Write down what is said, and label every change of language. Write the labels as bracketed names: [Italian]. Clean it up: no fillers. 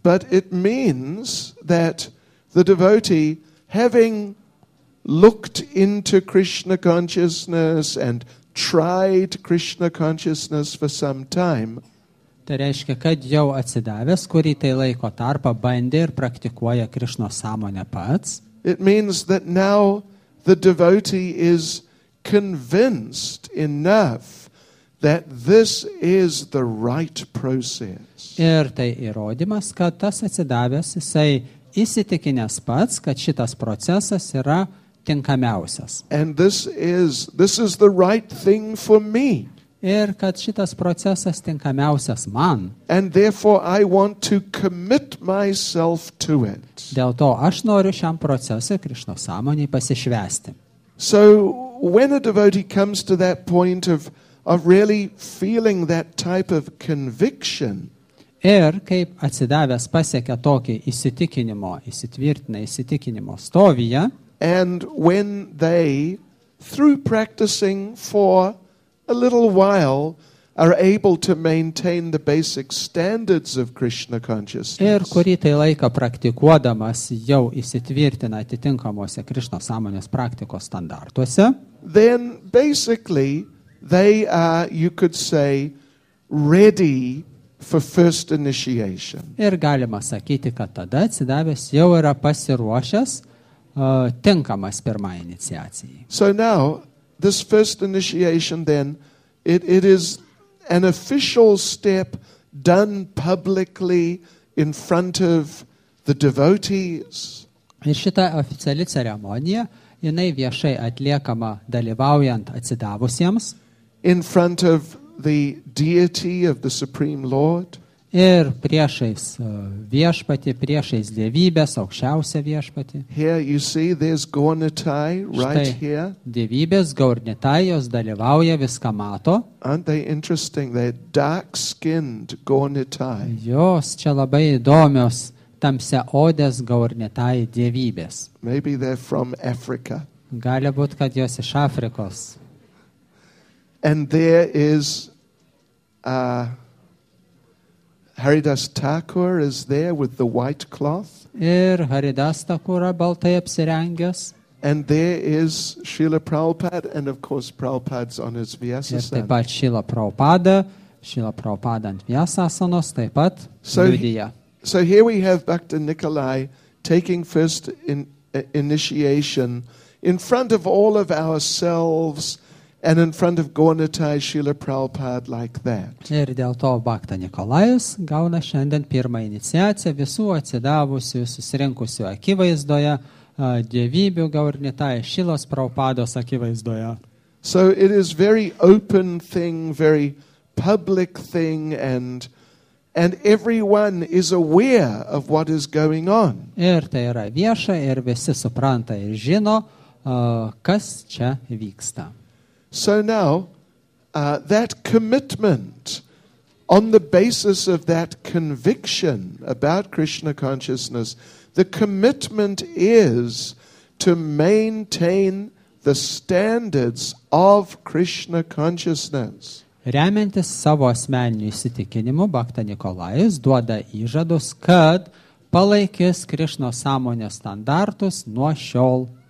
[English] But it means that the devotee, having looked into Krishna consciousness and tried Krishna consciousness for some time, [Lithuanian] tai reiškia, kad jau atsidavęs, kurį tai laiko tarpą bandė ir praktikuoja Krišno sąmonę pats. [English] It means that now the devotee is convinced enough that this is the right process. [Lithuanian] Ir tai įrodymas, kad tas atsidavęs, jisai įsitikinęs pats, kad šitas procesas yra tinkamiausias. [English] And this is the right thing for me. [Lithuanian] Ir kad šitas procesas tinkamiausias man. [English] And therefore I want to commit myself to it. [Lithuanian] Dėl to aš noriu šiam procesui Krišno sąmonėj pasišvesti. [English] So when a devotee comes to that point of really feeling that type of conviction. [Lithuanian] Ir kaip atsidavęs pasiekia tokį įsitikinimo, įsitvirtina įsitikinimo stovyje. [English] And when they, through practicing for a little while, are able to maintain the basic standards of Krishna consciousness. [Lithuanian] Ir kurį tai laiką praktikuodamas jau įsitvirtina atitinkamuose Krišno sąmonės praktikos standartuose. [English] Then basically they are, you could say, ready for first initiation. [Lithuanian] Ir galima sakyti, kad tada atsidavęs jau yra pasiruošęs tinkamas pirmai iniciacijai. [English] So now this first initiation then, it is an official step done publicly in front of the devotees. [Lithuanian] Ir šita oficiali ceremonija, jinai viešai atliekama dalyvaujant atsidavusiems. [English] In front of the deity of the Supreme Lord. [Lithuanian] Ir priešais viešpatį, priešais dievybės, aukščiausią viešpatį. [English] Here you see there's Gaurnitai right here. [Lithuanian] Dievybės Gaurnitai, jos dalyvauja, viską mato. [English] Aren't they interesting? They're dark-skinned Gaurnitai. [Lithuanian] Jos čia labai įdomios, tamsia odės Gaurnitai dievybės. [English] Maybe they're from Africa. [Lithuanian] Gali būt, kad jos iš Afrikos. [English] And there is Haridas Thakur is there with the white cloth. [Lithuanian] Ir Haridas Thakura baltai apsirengęs. [English] And there is Srila Prabhupada, and of course Prabhupada's on his Vyasasana. [Lithuanian] Ir taip pat Srila Prabhupada ant Vyasasanos taip pat liudija. [English] So here we have Bhakta Nikolai taking first initiation in front of all of ourselves, and in front of Gaurnitai Srila Prabhupada like that. [Lithuanian] Ir dėl to Bhakta Nikolajus gauna šiandien pirmą iniciaciją visų atsidavusių, susirinkusių akivaizdoje, dievybių Gaurnitai Šilos Prabhupados akivaizdoje. [English] So it is very open thing, very public thing, and everyone is aware of what is going on. [Lithuanian] Ir tai yra vieša, ir visi supranta ir žino, kas čia vyksta. [English] So now, that commitment, on the basis of that conviction about Krishna consciousness, the commitment is to maintain the standards of Krishna consciousness. [Lithuanian] Remiantis savo asmeniniu įsitikinimu, Bhakta Nikolajus duoda įžadus, kad palaikys Krišno sąmonės standartus nuo šiol.